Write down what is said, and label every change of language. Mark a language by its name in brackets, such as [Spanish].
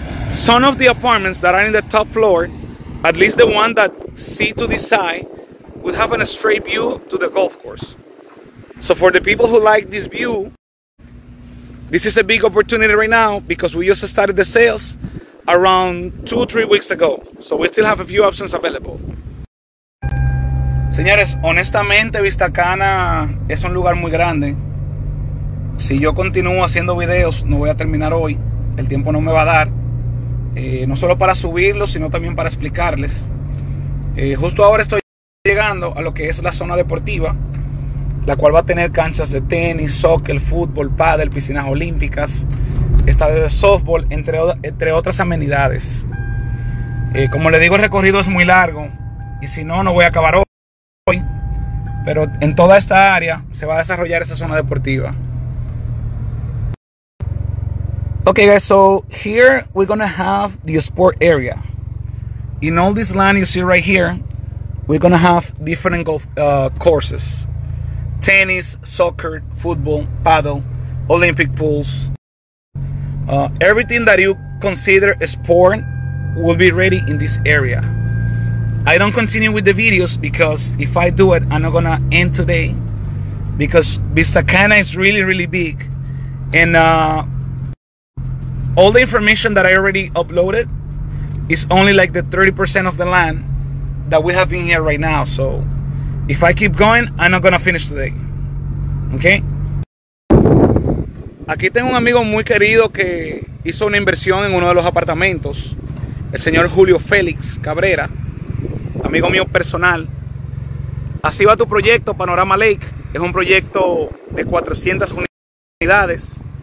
[English] Some of the apartments that are in the top floor, at least the one that see to this side, will have a straight view to the golf course. So for the people who like this view, this is a big opportunity right now because we just started the sales around 2 or 3 weeks ago. So we still have a few options available. [Spanish] Señores, honestamente, Vista Cana es un lugar muy grande. Si yo continúo haciendo videos, no voy a terminar hoy. El tiempo no me va a dar. No solo para subirlos, sino también para explicarles. Justo ahora estoy llegando a lo que es la zona deportiva, la cual va a tener canchas de tenis, soccer, fútbol, pádel, piscinas olímpicas, estadio de softball, entre otras amenidades. Como le digo, el recorrido es muy largo. y si no, no voy a acabar hoy. Pero en toda esta área se va a desarrollar esa zona deportiva. [English] Okay, guys, so here we're gonna have the sport area. In all this land you see right here, we're gonna have different golf courses. Tennis, soccer, football, paddle, Olympic pools. Everything that you consider a sport will be ready in this area. I don't continue with the videos because if I do it, I'm not gonna end today, because Vistacana is really, really big. And all the information that I already uploaded is only like the 30% of the land that we have in here right now. So if I keep going, I'm not gonna finish today. Okay? [Spanish] Aquí tengo un amigo muy querido que hizo una inversión en uno de los apartamentos, el señor Julio Félix Cabrera, amigo mío personal. Así va tu proyecto, Panorama Lake. Es un proyecto de 400 unidades.